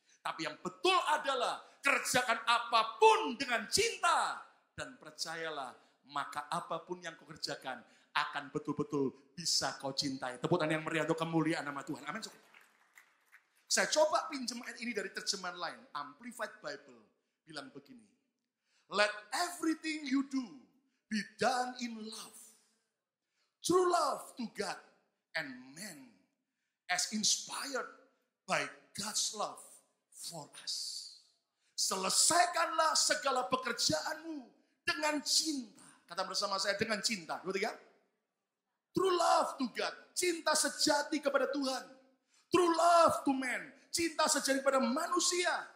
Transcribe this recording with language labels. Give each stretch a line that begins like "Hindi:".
Indonesian: Tapi yang betul adalah kerjakan apapun dengan cinta. Dan percayalah, maka apapun yang kau kerjakan akan betul-betul bisa kau cintai. Tepuk tangan yang meriah untuk kemuliaan nama Tuhan. Amin. Saya coba pinjam ayat ini dari terjemahan lain. Amplified Bible bilang begini.
English: Let everything you do be done in love. True love to God and man as inspired by God's love. For us.
Indonesian: Selesaikanlah segala pekerjaanmu dengan cinta. Kata bersama saya, dengan cinta.
English: 2, 3. True love to God.
Indonesian: Cinta sejati kepada Tuhan.
English: True love to man.
Indonesian: Cinta sejati kepada manusia.